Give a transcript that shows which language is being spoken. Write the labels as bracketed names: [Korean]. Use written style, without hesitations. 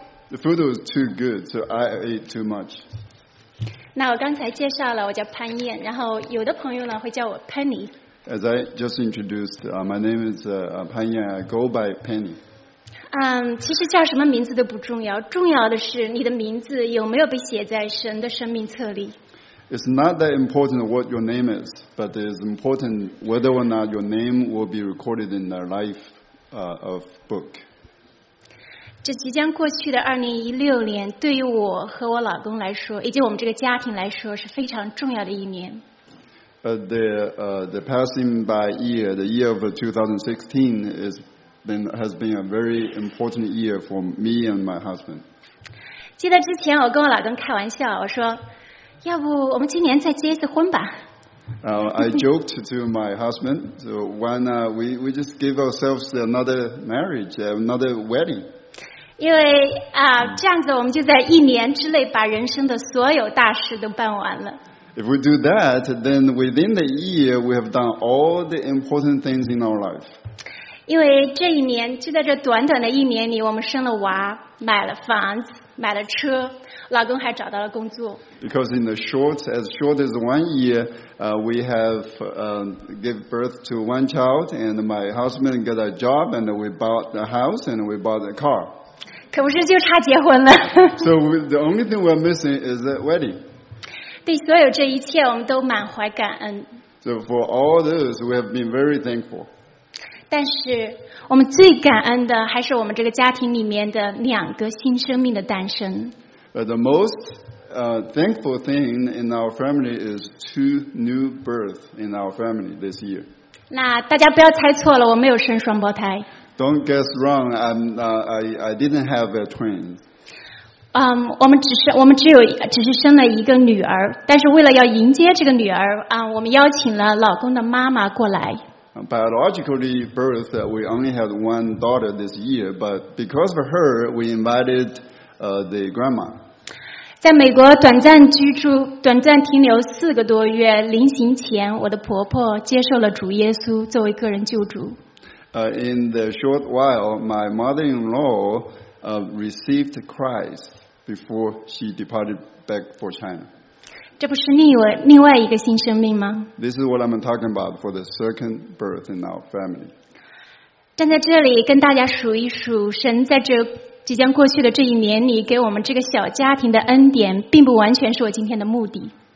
[English] The food was too good, so I ate too much. [Chinese] 那我刚才介绍了，我叫潘燕，然后有的朋友呢会叫我 Penny。 [English] As I just introduced, my name is Pan Yan. I go by Penny. [Chinese] 其实叫什么名字都不重要，重要的是你的名字有没有被写在神的生命册里。 [English] It's not that important what your name is, but it's important whether or not your name will be recorded in the life of book. [Chinese] 这即将过去的2016年对于我和我老公来说以及我们这个家庭来说是非常重要的一年。 [English] The passing by year, the year of 2016 has been a very important year for me and my husband. [Chinese] 记得之前我跟我老公开玩笑，我说要不我们今年再结一次婚吧。 [English] I joked to my husband, so why not we just give ourselves another marriage, another wedding. [Chinese] 因为这样子我们就在一年之内把人生的所有大事都办完了。 [English] If we do that, then within the year, we have done all the important things in our life. [Chinese] 因为这一年，就在这短短的一年里，我们生了娃，买了房子，买了车，老公还找到了工作。 [English] Because in the short, as short as 1 year, we have give birth to one child, and my husband got a job, and we bought a house, and we bought a car. [Chinese] 可不是就差结婚了。 [English] So the only thing we're missing is a wedding. [Chinese] 对所有这一切我们都满怀感恩。 [English] So for all this, we have been very thankful. [Chinese] 但是我们最感恩的还是我们这个家庭里面的两个新生命的诞生。 [English] But the most thankful thing in our family is 2 new births in our family this year. [Chinese] 那大家不要猜错了，我没有生双胞胎。 [English] Don't guess wrong, I didn't have a twin. [Chinese] 我们只是生了一个女儿，但是为了要迎接这个女儿我们邀请了老公的妈妈过来。 [English] Biologically birth, we only had one daughter this year, but because of her, we invited the grandma. [Chinese] 在美国短暂居住、短暂停留四个多月，临行前，我的婆婆接受了主耶稣作为个人救主。 [English] In the short while, my mother-in-law received Christ. Before she departed back for China. [Chinese] 这不是另外一个新生命吗？ [English] This is what I'm talking about for the second birth in our family. [Chinese] 站在这里跟大家数一数，神在这即将过去的这一年里给我们这个小家庭的恩典，并不完全是我今天的目的。